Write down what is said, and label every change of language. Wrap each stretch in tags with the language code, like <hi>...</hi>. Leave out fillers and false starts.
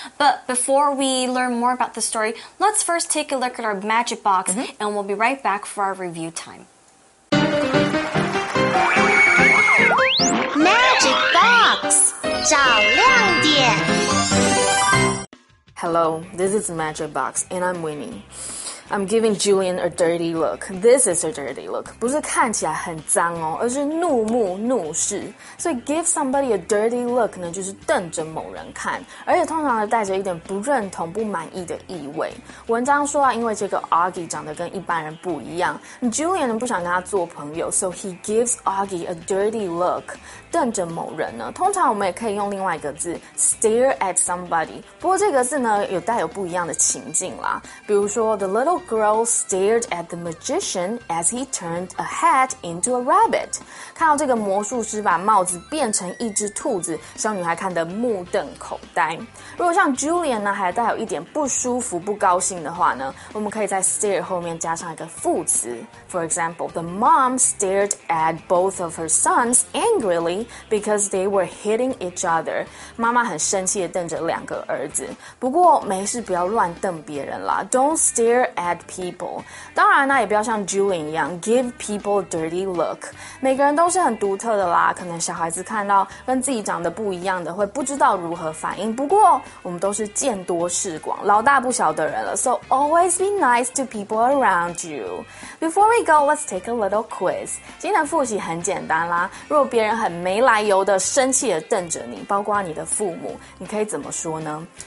<en>But before we learn more about the story, let's first take a look at our magic box, and we'll be right back for our review time. Magic box!</en> <zh>找亮点</zh> <en>Hello, this is Magic Box, and I'm Winnie. I'm giving Julian a dirty look. This is a dirty look.</en> <zh>不是看起来很脏哦，而是怒目怒视。所以 give somebody a dirty look 呢，就是瞪着某人看，而且通常带着一点不认同、不满意的意味。文章说啊，因为这个 Augie 长得跟一般人不一样， Julian 不想跟他做朋友，</zh> <en>so he gives Augie a dirty look.</en> <zh>瞪着某人呢，通常我们也可以用另外一个字 stare at somebody. 不过这个字呢，有带有不一样的情境啦，比如说</zh> <en>the little girl stared at the magician as he turned a hat into a rabbit.</en> <zh>看到这个魔术师把帽子变成一只兔子，小女孩看得目瞪口呆。如果像 Julian 呢，还带有一点不舒服、不高兴的话呢，我们可以在 stare 后面加上一个副词。</zh> <en>For example, the mom stared at both of her sons angrily because they were hitting each other.</en> <zh>妈妈很生气地瞪着两个儿子。不过没事，不要乱瞪别人啦。</zh> <en>Don't stare at people.</en> <zh>当然呢，也不要像 Julian 一样 give people a dirty look. 每个人都是很独特的啦，可能小孩子看到跟自己长得不一样的，会不知道如何反应。不过我们都是见多识广，老大不小的人了。</zh> <en>So always be nice to people around you. Before we go, let's take a little quiz.</en> <zh>今天的复习很简单啦。如果别人很没来由的生气的瞪着你，包括你的父母，你可以怎么说呢？</zh>